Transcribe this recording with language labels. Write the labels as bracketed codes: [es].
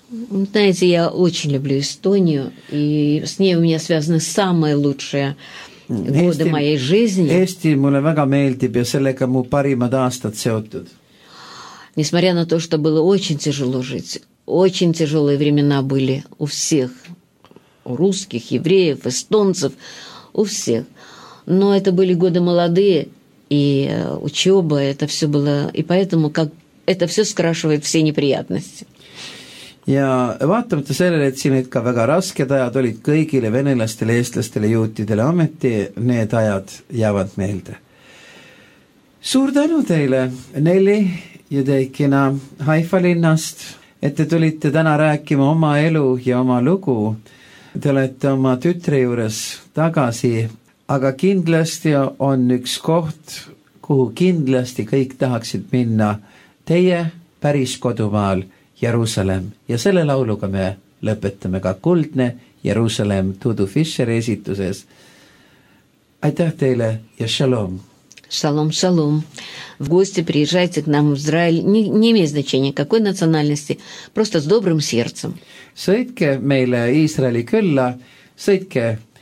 [ru] Знаете, я очень люблю Эстонию, и с ней у меня связаны самые лучшие годы моей жизни. [et] Eesti mulle väga meeldib ja sellega mu parimad aastad seotud. [ru] Несмотря на то, что было очень тяжело жить, очень тяжелые времена были у всех, у русских, евреев, эстонцев, у всех. Но это были годы молодые, и учеба, это все было, и поэтому как это все скрашивает все неприятности. [et] Ja vaatamata sellele, et siin ka väga rasked ajad olid kõigile venelastele, eestlastele, juutidele ameti, need ajad jäävad meelde. Suur tänu teile, Nelli. Ja teikina Haifa linnast, et te tulite täna rääkima oma elu ja oma lugu. Te olete oma tütre juures tagasi, aga kindlasti on üks koht, kuhu kindlasti kõik tahaksid minna, teie päris kodumaal Jerusalem. Ja selle lauluga me lõpetame ka kuldne Jerusalem Dudu Fischeri esituses. Aitäh teile ja shalom! [ru] Шалом, шалом. В гости приезжайте к нам в Израиль. Не имеет значения, какой национальности. Просто с добрым сердцем. Сойдке мейле Израиле кюлла. Сойдке